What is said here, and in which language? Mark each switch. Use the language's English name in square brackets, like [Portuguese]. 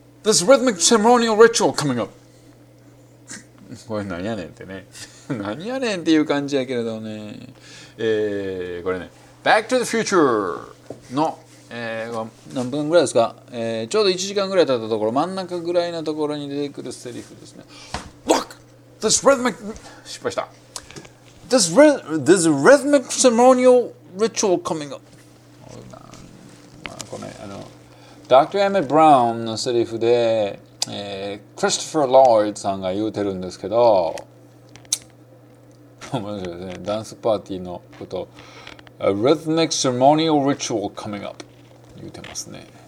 [English] There's a rhythmic ceremonial ritual coming up! [Japanese] これ何やねんってね。何やねんっていう感じやけれどね。これね、Back to the Future の、何分ぐらいですか、ちょうど1時間ぐらい経ったところ、真ん中ぐらいのところに出てくるセリフですね。 [English] Look! This rhythmic... [Japanese] 失敗した。 [English] This rhythmic ceremonial ritual coming up. [Japanese] これね、Dr. Emmett Brown のセリフで、クリストファー・ロイドさんが言うてるんですけど、面白いですね。ダンスパーティーのこと、 [English] A rhythmic ceremonial ritual coming up [Japanese] 言うてますね。